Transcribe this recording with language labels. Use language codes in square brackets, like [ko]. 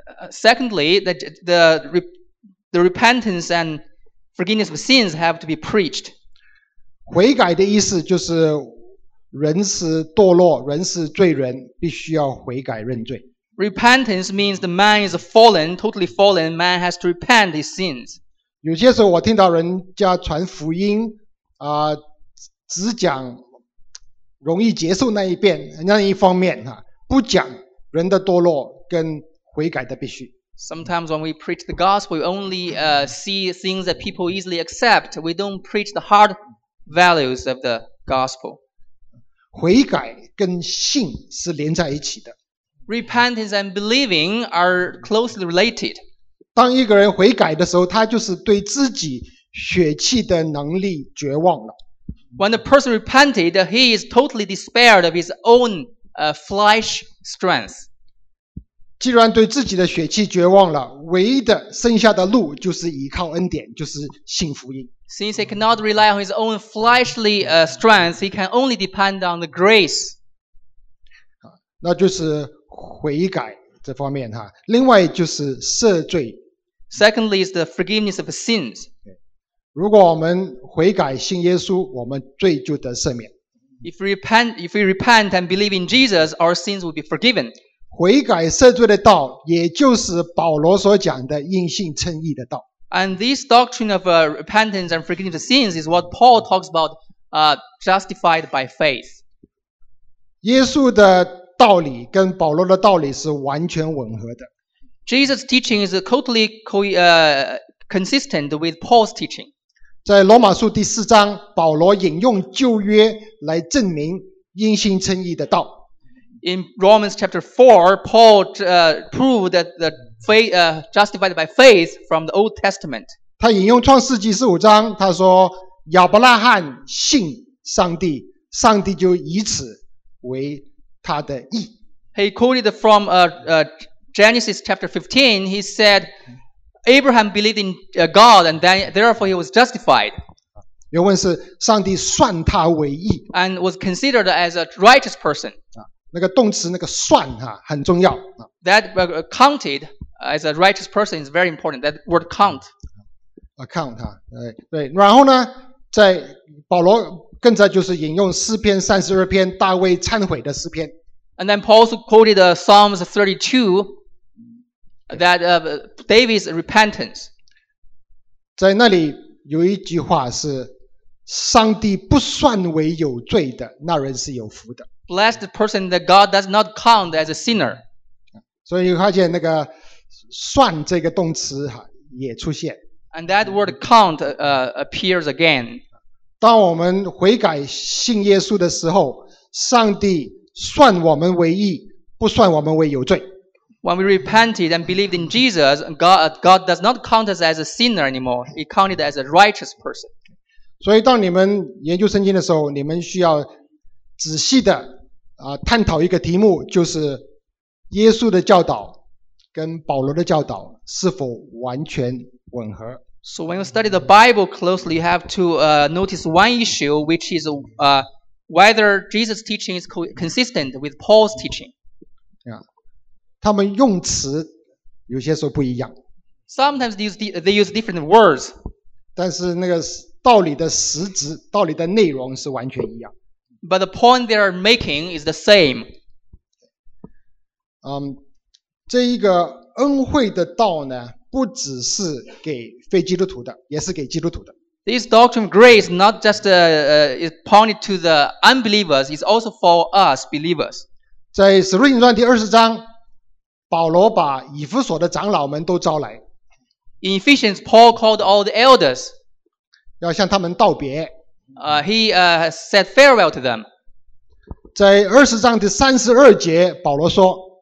[en] Secondly, the repentance and forgiveness of sins have to be preached. [zh] 悔改的意思就是。人是堕落，人是罪人，必须要悔改认罪。 [en] Repentance means the man is fallen, totally fallen. Man has to repent his sins. [zh] 有些时候我听到人家传福音，只讲容易接受那一方面啊，不讲人的堕落跟悔改的必须。 [en] Sometimes when we preach the gospel, we only see things that people easily accept. We don't preach the hard values of the gospel. [zh] 悔改跟信是连在一起的。 [en] Repentance and believing are closely related. [zh] 当一个人悔改的时候，他就是对自己血气的能力绝望了。 [en] When a person repented, he is totally despaired of his own flesh strength. [zh] 既然对自己的血气绝望了，唯一的剩下的路就是依靠恩典，就是信福音。 [en] Since he cannot rely on his own fleshly strength, he can only depend on the grace. [zh] 那就是悔改这方面哈。另外就是赦罪。 [en] Secondly is the forgiveness of sins. [zh] 如果我们悔改信耶稣，我们罪就得赦免。 [en] If we repent and believe in Jesus, our sins will be forgiven. [zh] 悔改赦罪的道，也就是保罗所讲的因信称义的道。 [en] And this doctrine of repentance and forgiveness of sins is what Paul talks about, justified by faith. [zh] 耶稣的道理跟保罗的道理是完全吻合的。 [en] Jesus' teaching is totally consistent with Paul's teaching. [zh] 在罗马书第四章，保罗引用旧约来证明因信称义的道。 [en] In Romans chapter 4, Paul proved that the faith, justified by faith from the Old Testament. [zh] 他引用创世纪十五章，他说亚伯拉罕信上帝，上帝就以此为他的义。 [en] He quoted from Genesis chapter 15. He said, "Abraham believed in God, and then therefore he was justified." [zh] 原文是上帝算他为义 [en] ，and was considered as a righteous person. [zh] 那个动词那个算哈很重要。 [en] That counted as a righteous person is very important. That word count. [zh] Account 哈，对对。然后呢，在保罗更在就是引用诗篇三十二篇大卫忏悔的诗篇。 [en] And then Paul also quoted Psalms 32, that David's repentance. [zh] 在那里有一句话是，上帝不算为有罪的，那人是有福的。 [en] Blessed person that God does not count as a sinner. [zh] 所以发现那个算这个动词也出现。 [en] And that word count appears again. [zh] 当我们悔改信耶稣的时候，上帝算我们为义，不算我们为有罪。 [en] When we repented and believed in Jesus, God does not count us as a sinner anymore. He counted as a righteous person. [zh] 所以，当你们研究圣经的时候，你们需要仔细的探讨一个题目，就是耶稣的教导跟保罗的教导是否完全吻合。 [en] So when you study the Bible closely, you have to notice one issue, which is whether Jesus' teaching is consistent with Paul's teaching. Yeah. [zh] 他们用词有些时候不一样。 [en] Sometimes they use different words. [zh] 但是那个道理的实质，道理的内容是完全一样。 [en] But the point they are making is the same. [zh] 这一个恩惠的道呢，不只是给非基督徒的，也是给基督徒的。 [en] This doctrine of grace not just is pointed to the unbelievers, it's also for us believers. [zh] 在使徒行传第二十章，保罗把以弗所的长老们都招来。 [en] In Ephesians, Paul called all the elders. [zh] 要向他们道别。 [en] He said farewell to them. [zh] 在二十章第三十二节，保罗说。